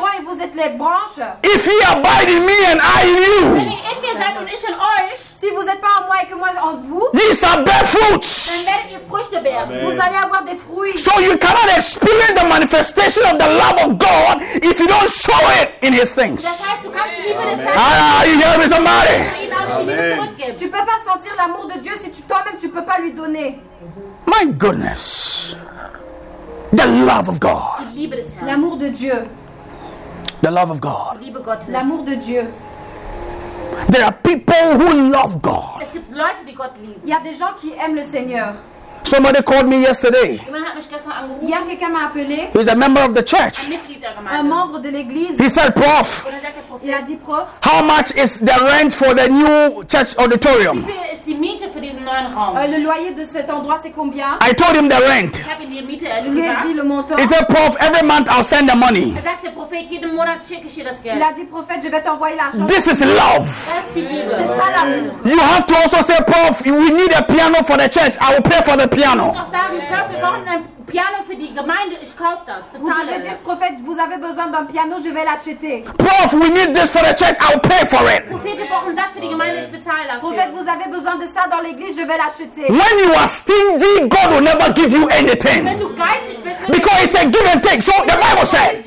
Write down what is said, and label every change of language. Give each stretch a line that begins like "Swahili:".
English: If ye abide in me and I in you,
French: si vous êtes pas en moi et que moi en vous, vous allez avoir des fruits. Vous allez avoir des fruits.
English: So you cannot experience the manifestation of the love of God if you don't show it in His things. You hear me, somebody?
French: Tu peux pas sentir l'amour de Dieu si toi-même tu peux pas lui donner.
English: My goodness, the love of God.
French: L'amour de Dieu.
English: The love of God.
French: L'amour de Dieu.
English: There are people who love God.
French: Il y a des gens qui aiment le Seigneur.
English: Somebody called me yesterday.
French: Hier, quelqu'un m'a appelé.
English: He's a member of the church.
French: Un membre de l'église.
English: He said, prof.
French: Il a dit, prof.
English: How much is the rent for the new church auditorium?
French: Le loyer de cet endroit, c'est combien?
English: I told him the rent.
French: Je lui ai dit le montant.
English: He said, prof, every month I'll send the money.
French: Il a dit, prophète, je vais t'envoyer l'argent.
English: This is love.
French: C'est ça l'amour.
English: You have to also say, prof, we need a piano for the church. I will pay for the piano.
German: Piano für die Gemeinde, ich kauf das, bezahle.
French: Vous dire, prophète, vous avez besoin d'un piano, je vais l'acheter.
English: Prof, we need this for the church, I'll pay for it.
German: Prophète, wir brauchen das für die Gemeinde, ich bezahle dafür.
French: Prophète, vous avez besoin de ça dans l'église, je vais l'acheter.
English: When you are stingy, God will never give you anything.
German: Wenn du geizig bist,
English: because it's a give and take. So the Bible said,